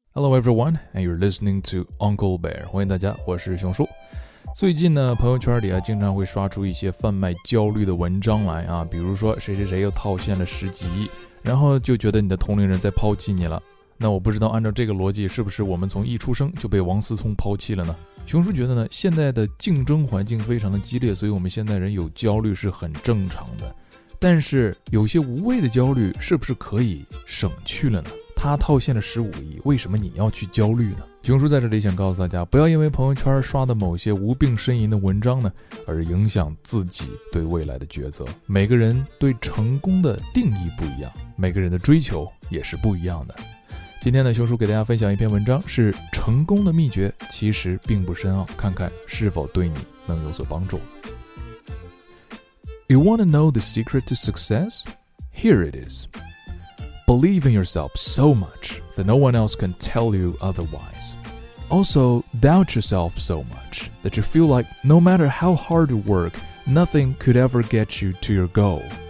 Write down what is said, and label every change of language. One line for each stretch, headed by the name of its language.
English: Hello everyone, and you're listening to Uncle Bear.
Chinese: 欢迎大家，我是熊叔。最近呢，朋友圈里啊，经常会刷出一些贩卖焦虑的文章来啊，比如说谁谁谁又套现了10几亿，然后就觉得你的同龄人在抛弃你了。那我不知道按照这个逻辑，是不是我们从一出生就被王思聪抛弃了呢？熊叔觉得呢，现在的竞争环境非常的激烈，所以我们现在人有焦虑是很正常的。但是有些无谓的焦虑是不是可以省去了呢？他套现了15亿，为什么你要去焦虑呢？熊叔在这里想告诉大家，不要因为朋友圈刷的某些无病呻吟的文章呢，而影响自己对未来的抉择。每个人对成功的定义不一样，每个人的追求也是不一样的。今天呢，熊叔给大家分享一篇文章，是成功的秘诀其实并不深奥，看看是否对你能有所帮助。
English: You want to know the secret to success? Here it is. Believe in yourself so much that no one else can tell you otherwise. Also, doubt yourself so much that you feel like no matter how hard you work, nothing could ever get you to your goal.